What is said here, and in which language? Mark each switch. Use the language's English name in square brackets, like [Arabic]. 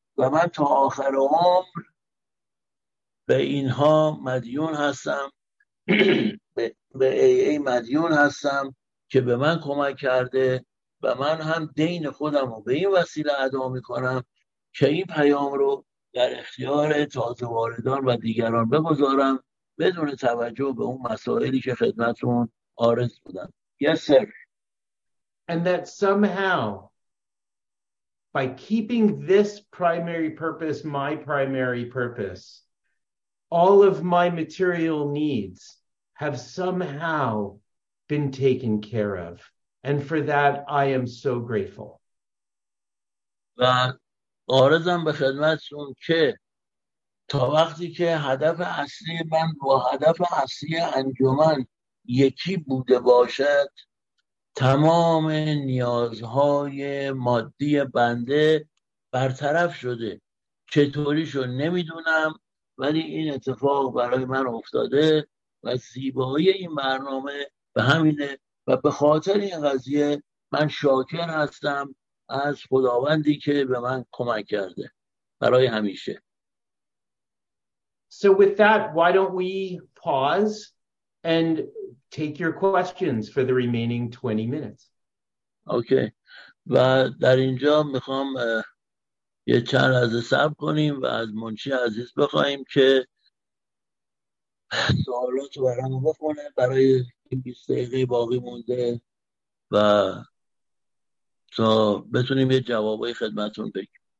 [Persian] و من تا آخر عمر به اینها مدیون هستم، به ای مدیون هستم که به من کمک کرده و من هم دین خودم رو به این وسیله ادا میکنم که این پیام رو در اختیار تازه واردان و دیگران بگذارم بدون توجه به اون مسائلی که خدمتون عارض بودم. [English] Yes, sir. And that somehow by keeping this primary purpose my primary purpose, all of my material needs have somehow been taken care of. And for that, I am so grateful. [Persian] و آرزم به خدمتتون که تا وقتی که هدف اصلی من با هدف اصلی انجمن یکی بوده باشد، تمام نیازهای مادی بنده برطرف شده. چطوریشو نمیدونم، ولی این اتفاق برای من افتاده و زیبایی این برنامه به همینه و به خاطر این قضیه من شاکر هستم از خداوندی که به من کمک کرده برای همیشه. [English] So with that, why don't we pause and take your questions for the remaining 20 minutes. Okay. [Persian] و در اینجا میخوام یه چند لحظه صبر کنیم و از منشی عزیز بخواهیم که سوالات رو برام بخونه برای 20 دقیقه باقی مونده و تا بتونیم یه جوابای خدمتتون بگیم.